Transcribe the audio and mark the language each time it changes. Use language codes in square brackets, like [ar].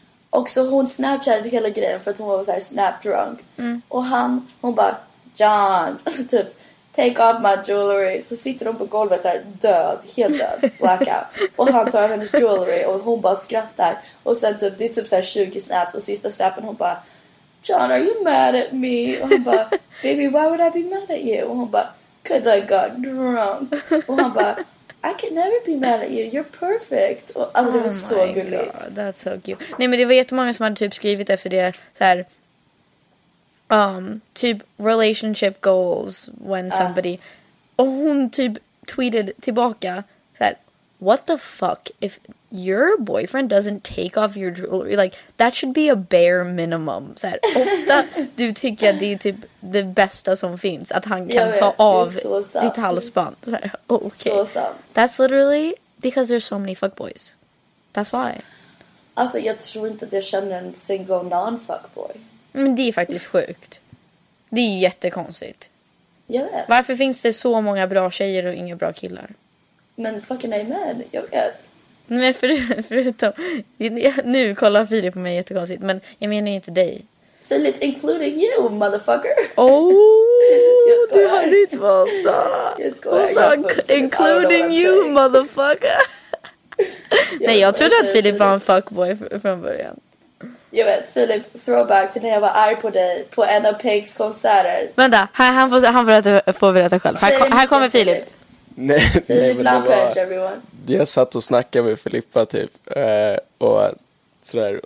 [sv] Och så hon Snapchatade hela grejen för att hon var så här snapdrunk. Och hon bara, John, typ, [en] take off my jewelry. [sv] Så sitter hon på golvet här död, helt död, blackout. Och han tar hennes jewelry och hon bara skrattar. Och sen typ, det är typ så här 20 snaps och sista snappen hon bara... [en] John, are you mad at me? [sv] Och hon bara, [en] baby, why would I be mad at you? Och hon bara, cause I got drunk. [sv] Och hon bara, [en] I can never be mad at you. You're perfect. [sv] Och, alltså, det var så gulligt. God, [en] that's so cute. [sv] Nej, men det var jättemånga som hade typ skrivit efter det. Så här, typ [en] relationship goals when somebody... [sv] Och hon typ tweeted tillbaka. Så här, [en] what the fuck if... Your boyfriend doesn't take off your jewelry. Like, that should be a bare minimum. [sv] Så här, ofta du tycker att det är typ det bästa som finns. Att han kan ta av ditt halsband. Så här, okay. Så sant. [en] That's literally because there's so many fuckboys. That's why. [sv] Alltså, jag tror inte att jag känner en [en] single non-fuckboy. [sv] Men det är faktiskt sjukt. Det är jättekonstigt. Jag vet. Varför finns det så många bra tjejer och inga bra killar? Men fucking amen, jag vet. Men förutom... Nu kollar Filip på mig jättekonstigt. Men jag menar ju inte dig. [en] Filip, including you, motherfucker. [sv] Oh, du har ditt valsa. [en] Alltså, including you, motherfucker. [sv] Nej, jag trodde att Filip var en fuckboy från början. Jag vet, Filip, throwback till när jag var arg på dig på en av Pigs konserter. Vänta, han får berätta själv. Här kommer Filip. Nej, jag satt och snackade med Filippa typ och sådär.